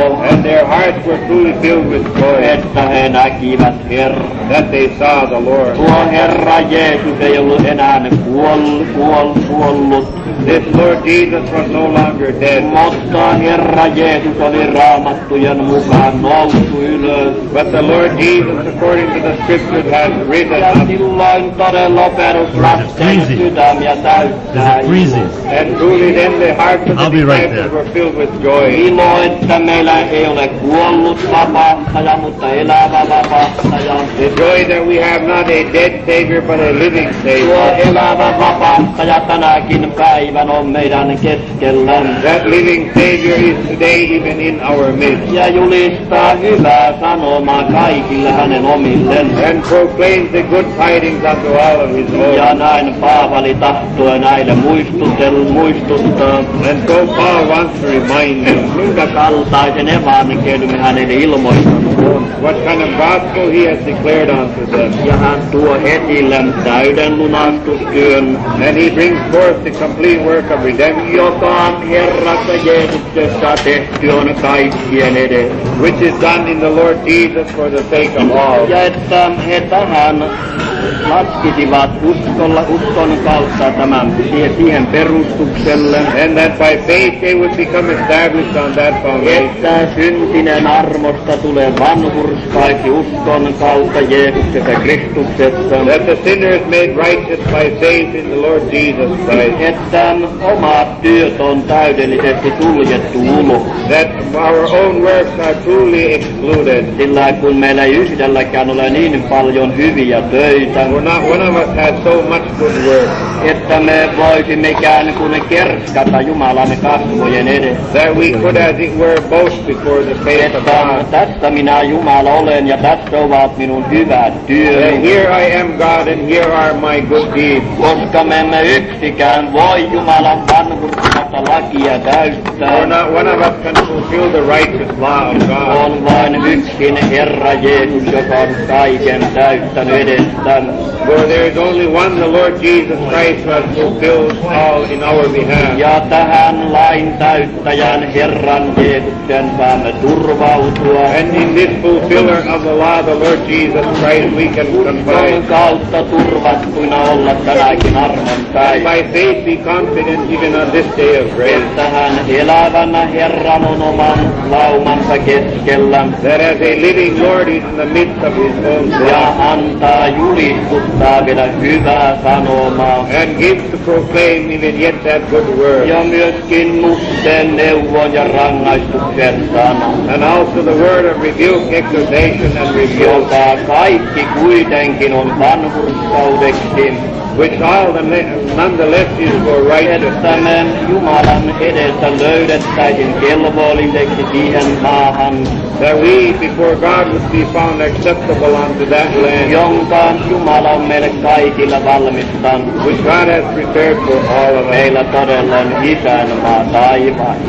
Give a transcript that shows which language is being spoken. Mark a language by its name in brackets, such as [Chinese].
[English] And their hearts were truly filled with joy that they saw the Lord. [Finnish] Tuo Herra Jeesus ei ollut enää kuollut. [English] This Lord Jesus was no longer dead. [Finnish] Mutta Herra Jeesus oli Raamattujen mukaan noussut ylös. [English] But the Lord Jesus, according to the scriptures, has risen up. [Finnish] Ja silloin todella perusrasteen sydämiä täyttää. [English] And truly then the hearts of the disciples were filled with joy. [Finnish] Ilo, että meillä ei ole kuollut vapahtaja, mutta elävä vapahtaja. [English] The joy that we have not a dead Savior, but a living Savior. [Finnish] Tuo elävä vapahtaja tänäkin päivän on meidän keskellämme. [English] That living Savior is today even in our midst. [Finnish] Ja julistaa hyvää sanomaa kaikille hänen omilleen. [English] And proclaims the good tidings unto all of his own. [Finnish] Ja näin Paavali tahtoo näin. [English] And so Paul wants to remind them. [Finnish] Minkä kaltaisen evankeliumin hän heille ilmoittanut on. [English] What kind of gospel he has declared unto them. [Finnish] Ja hän tuo esille täyden lunastustyön. [English] And he brings forth the complete work of redemption. [Finnish] Joka on Herrassa Jeesuksessa tehty on kaikkien edessä. [English] Which is done in the Lord Jesus for the sake of all. [Finnish] Ja että he tähän laskisivat uskon kautta tämän siihen perustukselle. [English] And that by faith they would become established on that foundation. [Finnish] Että syntinen armosta tulee vanhurskaiksi uskon kautta Jeesuksessa Kristuksessa. [English] That the sinner is made righteous by faith in the Lord Jesus Christ. [Finnish] Että omat työt on täydellisesti suljettu ulos. [English] That our own works are truly excluded. [Finnish] Sillä kun meillä ei yhdelläkään ole niin paljon hyviä töitä. [English] We're not one of us has so much good work. [Finnish] Että me voisimme ikään kuin kerskata Jumalan kasvojen edessä. [English] That we could, as it were, boast before the face [Finnish] että [English] of God. [Finnish] Tässä minä Jumala olen ja tässä ovat minun hyvät työni. [English] And here I am God and here are my good deeds. [Finnish] Koska me emme yksikään voi Jumalan vanhurskautta lakia täyttää. [English] We're not one of us can fulfill the righteous law of God. [Finnish] On vain yksin Herra Jeesus, joka on kaiken täyttänyt edessä. [English] For there is only one, the Lord Jesus Christ, who has fulfilled all in our behalf. [Finnish] Ja tähän lain täyttäjän Herran Jeesuksen saamme turvautua. [English] And in this fulfiller of the law, the Lord Jesus Christ, we can confide. [Finnish] Uskon kautta turvattuina olla tänäkin armon päivä. [English] By faith be confident even on this day of grace. [Finnish] Että hän elävänä Herran on oman laumansa keskellä. [English] That as a living Lord is in the midst of his own flock. [Finnish] Ja antaa julistuttaa vielä hyvää sanomaa. [English] And gives to proclaim even yet that good word. [Finnish] Ja myöskin musten neuvon ja rangaistuksen sana. [English] And also the word of rebuke, exhortation and rebuke. [Finnish] Joka kaikki kuitenkin on vanhurskaudeksi. [English] which all the nonetheless is for righteousness, that we before God would be found acceptable unto that land which God has prepared for all of us.